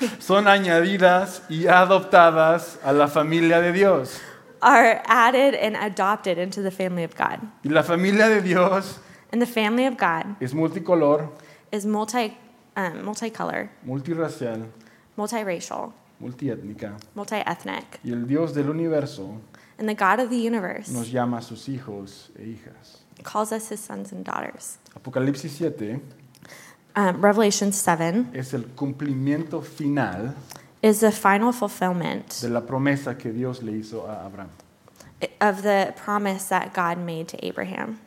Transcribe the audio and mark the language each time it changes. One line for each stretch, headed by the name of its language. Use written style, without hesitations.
Spanish: Son añadidas y adoptadas a la familia de Dios.
English: Are added and adopted into the family of God.
Spanish: Y la familia de Dios.
English: And the family of God.
Spanish: Es multicolor.
English: Is multicolor.
Spanish: Multiracial.
English: Multiracial.
Spanish: Multiétnica.
English: Multiethnic.
Spanish: Y el Dios del universo.
English: And the God of the universe.
Spanish: Nos llama a sus hijos e hijas.
English: Calls us his sons and daughters.
Spanish: Apocalipsis 7.
English: Revelation 7
Spanish: es el cumplimiento final,
English: is the final fulfillment,
Spanish: de la promesa que Dios le hizo a Abraham,
English: of the promise that God made to Abraham,